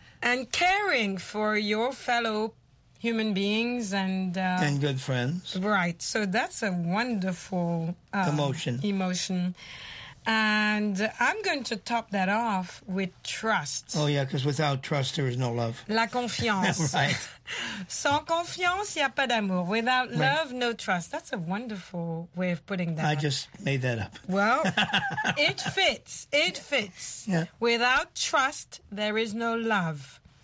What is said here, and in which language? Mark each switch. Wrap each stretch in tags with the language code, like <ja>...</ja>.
<en>And caring for your fellow human beings and... And good friends. Right. So that's a wonderful... Emotion. And I'm going to top that off with trust. Oh, yeah, because without trust, there is no love.</en> <fr>La confiance.</fr> <en>Right.</en> <fr>Sans confiance, il n'y a pas d'amour.</fr> <en>Without love, no trust. That's a wonderful way of putting that. I just made that up. Well, it fits. It fits. Yeah. Without trust, there is no love.</en>